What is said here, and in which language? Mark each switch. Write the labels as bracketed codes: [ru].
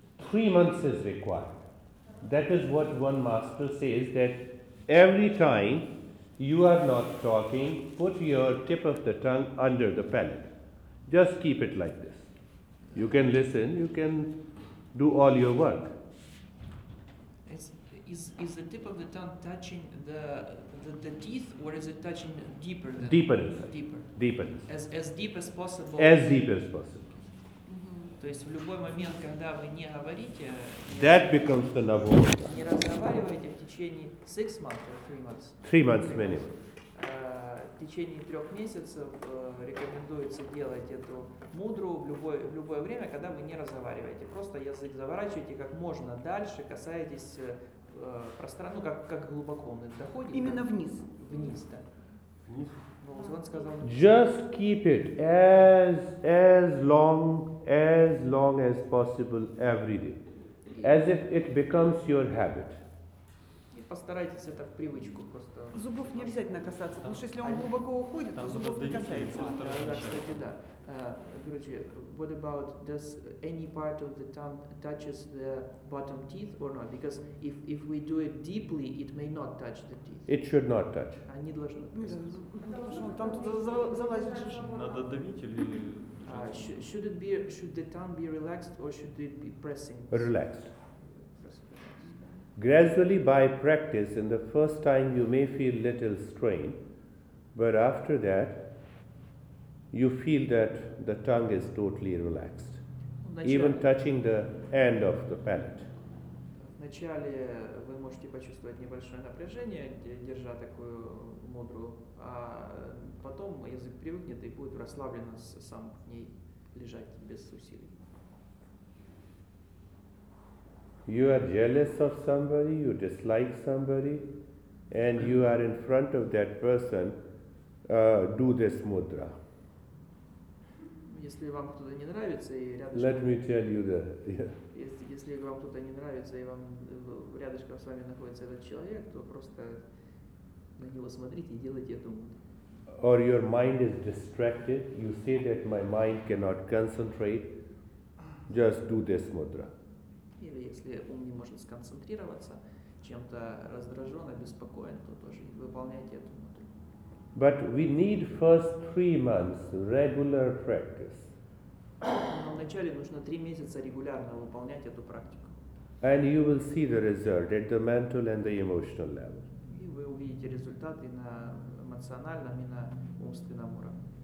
[en] Three months is required. That is what one master says, that every time you are not talking, put your tip of the tongue under the palate. Just keep it like this. You can listen, you can do all your work. Is the tip of the tongue touching the teeth, or is it touching deeper? Deeper. As deep as possible? As deep as possible. [ru] То есть в любой момент, когда вы не говорите, [en] that becomes the Nabho Mudra. [ru] Не разговариваете в течение [en] 6 months or 3 months? 3 months minimum. [ru] В течение 3 месяцев рекомендуется делать эту мудру в любое время, когда вы не разговариваете. Просто язык заворачиваете как можно дальше, касаетесь пространства, как глубоко он доходит. Именно вниз. Вниз, да. Вниз. [en] Just keep it as long as possible every day, as if it becomes your habit. [ru] И постарайтесь это в привычку просто. Зубов не обязательно касаться, потому что если он глубоко уходит, то зубов не касается. Кстати, да. [en] Guruji, what about, does any part of the tongue touches the bottom teeth or not? Because if we do it deeply, it may not touch the teeth. It should not touch. [ru] Они должны. Там туда залазить. Надо давить или. [en] Should the tongue be relaxed or should it be pressing? Relaxed. Gradually by practice, in the first time you may feel little strain, but after that, you feel that the tongue is totally relaxed, even touching the end of the palate. [ru] Вначале вы можете почувствовать небольшое напряжение, держа такую мудру, а потом язык привыкнет и будет расслабленно сам к ней лежать без усилий. [en] You are jealous of somebody, you dislike somebody, and you are in front of that person, do this mudra. [ru] Если вам кто-то не нравится и рядышком. [en] Let me tell you that. Yeah. [ru] Если вам кто-то не нравится и вам рядышком с вами находится этот человек, то просто на него смотрите и делайте эту мудру. [en] Or your mind is distracted, you say that my mind cannot concentrate, just do this mudra. [ru] Или если ум не может сконцентрироваться, чем-то раздражен, обеспокоен, то тоже выполняйте эту мудру. [en] But we need first 3 months regular practice. [ru] Но вначале нужно 3 месяца регулярно выполнять эту практику. [en] And you will see the result at the mental and the emotional level. [ru] И вы увидите результаты на эмоциональном и на умственном уровне.